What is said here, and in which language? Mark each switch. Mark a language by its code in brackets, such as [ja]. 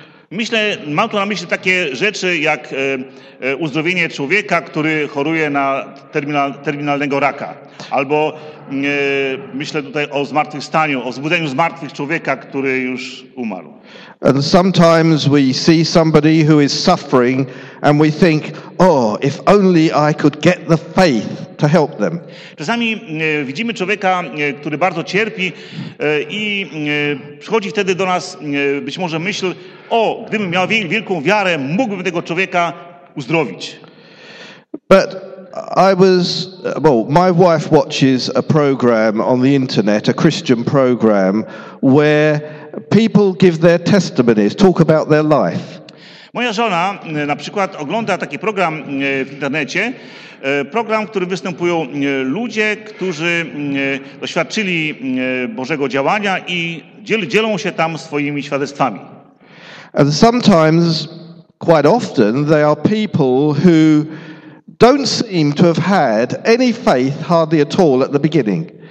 [pl] Myślę, mam tu na myśli takie rzeczy jak uzdrowienie człowieka, który choruje na terminalnego raka. Albo myślę tutaj o zmartwychwstaniu, o wzbudzeniu zmartwych człowieka, który już umarł. [en] And sometimes we see somebody who is suffering and we think, oh, if only I could get the faith to help them. [pl] Czasami widzimy człowieka, który bardzo cierpi i przychodzi wtedy do nas być może myśl, o, gdybym miał wielką wiarę, mógłbym tego człowieka uzdrowić. [en] But I was, well, my wife watches a program on the internet, a Christian program, where people give their testimonies, talk about their life. [pl] Moja żona na przykład ogląda taki program w internecie, program, w którym występują ludzie, którzy doświadczyli Bożego działania i dzielą się tam swoimi świadectwami. [en] And sometimes, quite often, they are people who don't seem to have had any faith hardly at all at the beginning.